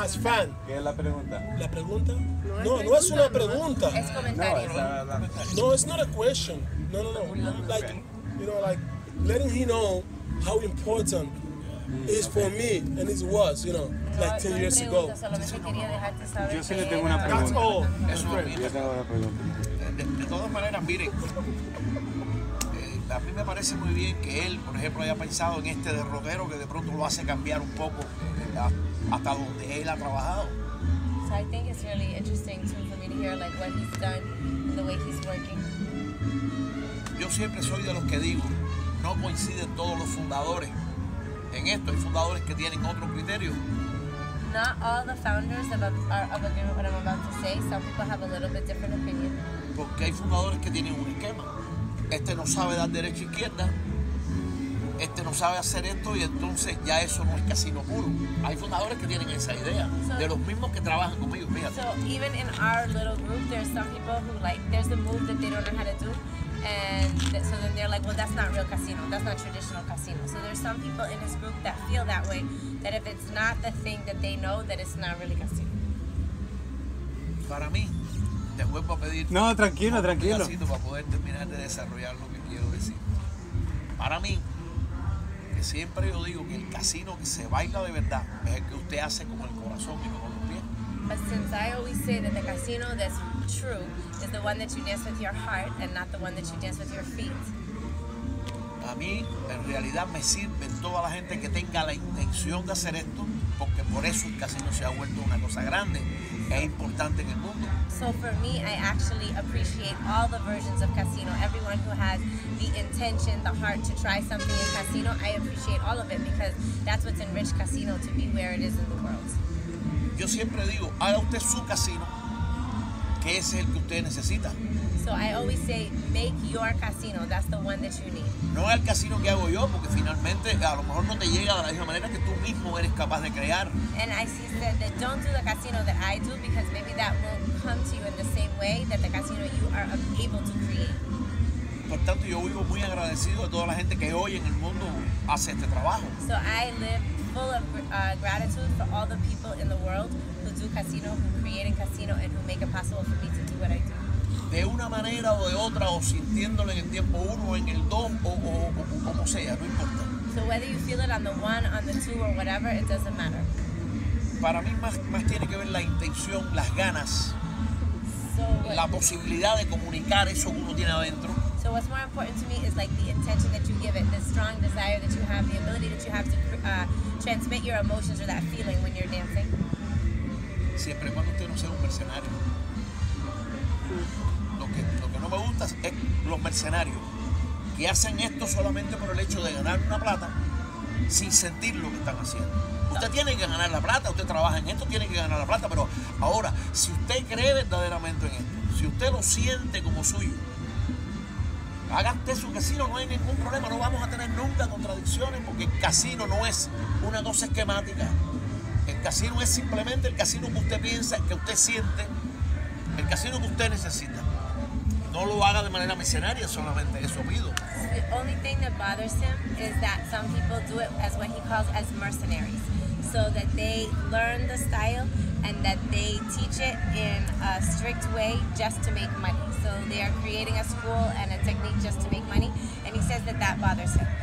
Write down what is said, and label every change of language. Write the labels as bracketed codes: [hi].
[en] Has fun. [es] ¿Qué es la pregunta? ¿La pregunta? No, es una pregunta. Es comentario. [en] No, it's not a question. No. Like, you know, like, letting he know how important is for me and it was, you know, like 10 years ago. [es] Solamente quería dejarte saber. Yo sí le tengo una pregunta. [en] That's all. [es] Yo tengo una pregunta. De todas maneras, miren, a mí me parece muy bien que él, por ejemplo, haya pensado en este derrotero que de pronto lo hace cambiar un poco, hasta donde él ha trabajado. [en] So I think it's really interesting too for me to hear like what he's done and the way he's working. [es] Yo siempre soy de los que digo, no coinciden todos los fundadores en esto. Hay fundadores que tienen otro criterio. [en] Not all the founders of a group, what I'm about to say, some people have a little bit different opinion. [es] Porque hay fundadores que tienen un esquema. Este no sabe dar derecha e izquierda. Este no sabe hacer esto y entonces ya eso no es casino puro. Hay fundadores que tienen esa idea, so, de los mismos que trabajan conmigo, fíjate. [en] So even in our little group, there's some people who like, there's a move that they don't know how to do, and so then they're like, well, that's not real casino, that's not traditional casino. So there's some people in his group that feel that way, that if it's not the thing that they know, that it's not really casino. [es] Para mí, te vuelvo a pedir... No, tranquilo. ...para poder terminar de desarrollar lo que quiero decir. Para mí, que siempre yo digo que el casino que se baila de verdad es el que usted hace con el corazón y no con los pies. [en] But since I always say that the casino that's true is the one that you dance with your heart and not the one that you dance with your feet. [es] A mí, en realidad, me sirve toda la gente que tenga la intención de hacer esto, porque por eso el casino se ha vuelto una cosa grande e importante en el mundo. [en] So for me, I actually appreciate all the versions of casino. Everyone who has the intention, the heart to try something in casino, I appreciate all of it because that's what's enriched casino to be where it is in the world. [es] Yo siempre digo, haga usted su casino, que ese es el que usted necesita. [en] So I always say, make your casino, that's the one that you need. [es] No es el casino que hago yo, porque finalmente a lo mejor no te llega de la misma manera que tú mismo eres capaz de crear. [en] And I see that don't do the casino that I do, because maybe that won't come to you in the same way that the casino you are able to create. [es] Por tanto, yo vivo muy agradecido a toda la gente que hoy en el mundo hace este trabajo. [en] So I live full of gratitude for all the people in the world who do casino, who create a casino, and who make it possible for me to do what I do. [es] De una manera o de otra, o sintiéndolo en el tiempo uno, en el dos, o como sea, no importa. [en] So whether you feel it on the one, on the two, or whatever, it doesn't matter. [es] Para mí más tiene que ver la intención, las ganas, la posibilidad de comunicar eso que uno tiene adentro. [en] So what's more important to me is like the intention that you give it, the strong desire that you have, the ability that you have to transmit your emotions or that feeling when you're dancing. [es] Siempre cuando usted no sea un mercenario. Lo que no me gusta es los mercenarios que hacen esto solamente por el hecho de ganar una plata sin sentir lo que están haciendo. Usted tiene que ganar la plata, usted trabaja en esto, tiene que ganar la plata, pero ahora, si usted cree verdaderamente en esto, si usted lo siente como suyo, haga usted su casino, no hay ningún problema, no vamos a tener nunca contradicciones, porque el casino no es una cosa esquemática, el casino es simplemente el casino que usted piensa, que usted siente, el casino que usted necesita. No lo haga de manera mercenaria, solamente eso pido. [en] The only thing that bothers him is that some people do it as what he calls as mercenaries. So that they learn the style and that they teach it in a strict way just to make money. So they are creating a school and a technique just to make money. And he says that that bothers him.